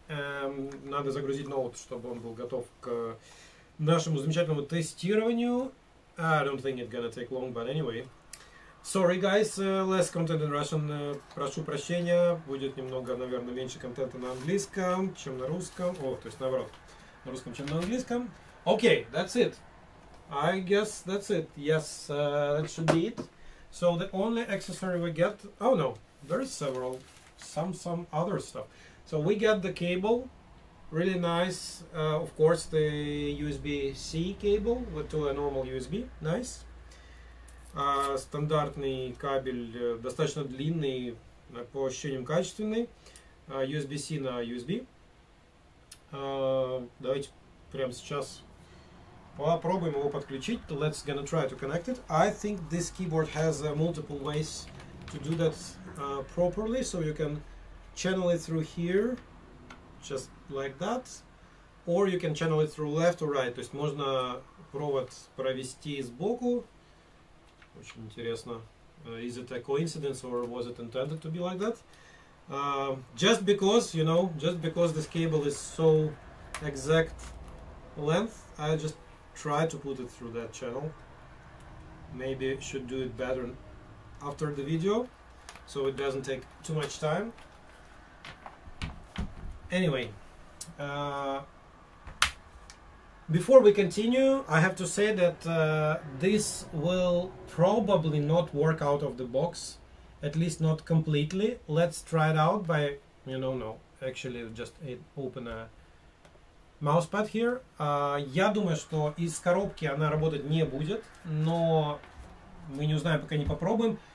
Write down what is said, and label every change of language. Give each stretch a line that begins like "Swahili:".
Russian: Надо загрузить ноут, чтобы он был готов к нашему замечательному тестированию.
English: I don't think it's gonna take long, but anyway. Sorry, guys, less content in Russian.
Russian: Прошу прощения, будет немного, наверное, меньше контента на английском, чем на русском. То есть наоборот. На русском, чем на английском.
English: Okay, that's it. I guess that's it. Yes, that should be it. So the only accessory we get... Oh no, there is several. Some other stuff. So we get the cable. Really nice. Of course, the USB-C cable to a normal USB. Nice.
Russian: Стандартный кабель, достаточно длинный, по ощущениям качественный. USB-C на USB. Давайте прямо сейчас попробуем его подключить.
English: Let's gonna try to connect it. I think this keyboard has multiple ways to do that properly. So you can channel it through here, just like that. Or you can channel it through left or right.
Russian: То есть можно провод провести сбоку. Очень интересно.
English: Is it a coincidence or was it intended to be like that? Just because, you know, just because this cable is so exact length, I just try to put it through that channel. Maybe should do it better after the video, so it doesn't take too much time. Anyway, before we continue, I have to say that this will probably not work out of the box. At least not completely. Let's try it out by, you know, no. Actually, just open a mousepad here.
Russian: Я думаю, что из коробки она работать не будет, но мы не узнаем, пока не попробуем.